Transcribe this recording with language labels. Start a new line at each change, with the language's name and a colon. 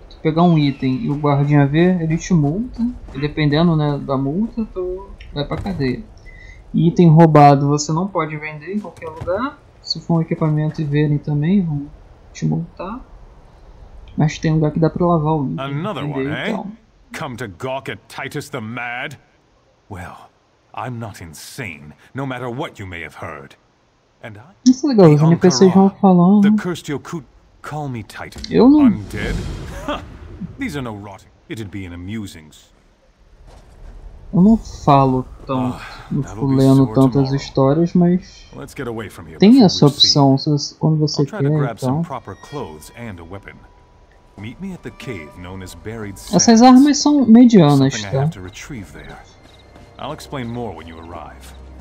Portuguese: pegar um item e o guardinha ver, ele te multa, e dependendo, né, da multa, tu vai pra cadeia. Item roubado você não pode vender em qualquer lugar, se for um equipamento e verem também, vão te multar. Mas tem lugar que dá pra lavar o item.
English: Another one, eh? Come to gawk at Titus the Mad? Well, I'm not insane, no matter what you may have heard. And I...
Portuguese: Isso é legal, os NPCs vão falando.
English: Call me Titan.
Portuguese: Eu não...
English: Undead? These are no rot. It'd be an amusing.
Portuguese: Eu não falo tanto, não fico lendo tantas histórias, mas
English: let's get away from here.
Portuguese: Tem essa opção, quando você quer, então.
English: Proper clothes and a weapon. Meet me at the cave known as Buried Sands.
Portuguese: Essas armas são medianas, tá?
English: I'll explain more when you arrive.